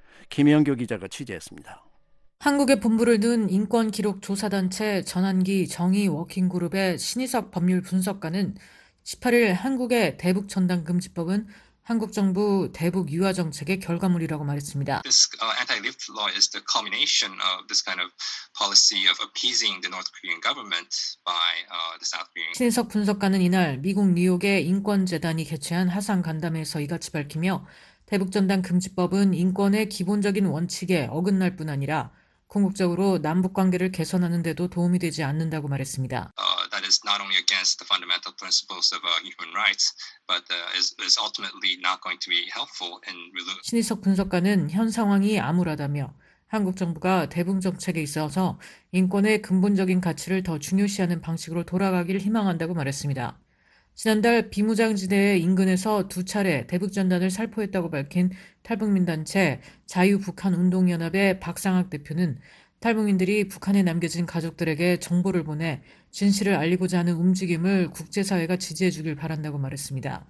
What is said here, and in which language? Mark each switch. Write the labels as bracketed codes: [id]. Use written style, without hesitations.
[ko] 김영교 기자가 취재했습니다. 한국의 본부를 둔 인권기록조사단체 전환기 정의 워킹그룹의 신희석 법률분석가는 18일 한국의 대북전단금지법은 한국 정부 대북 유화 정책의 결과물이라고 말했습니다. [en] This anti-lift law is the culmination of this kind of policy of appeasing the North Korean government by the South Korean. [ko] 신석 분석가는 이날 미국 뉴욕의 인권 재단이 개최한 화상 간담회에서 이같이 밝히며 대북 전단 금지법은 인권의 기본적인 원칙에 어긋날 뿐 아니라 궁극적으로 남북 관계를 개선하는 데도 도움이 되지 않는다고 말했습니다. [en] That is not only against the fundamental principles of human rights, but is ultimately not going to be helpful in. [ko] 신희석 분석가는 현 상황이 암울하다며 한국 정부가 대북 정책에 있어서 인권의 근본적인 가치를 더 중요시하는 방식으로 돌아가기를 희망한다고 말했습니다. 지난달 비무장지대 인근에서 두 차례 대북 전단을 살포했다고 밝힌 탈북민 단체 자유북한운동연합의 박상학 대표는 탈북민들이 북한에 남겨진 가족들에게 정보를 보내 진실을 알리고자 하는 움직임을 국제사회가 지지해 주길 바란다고 말했습니다.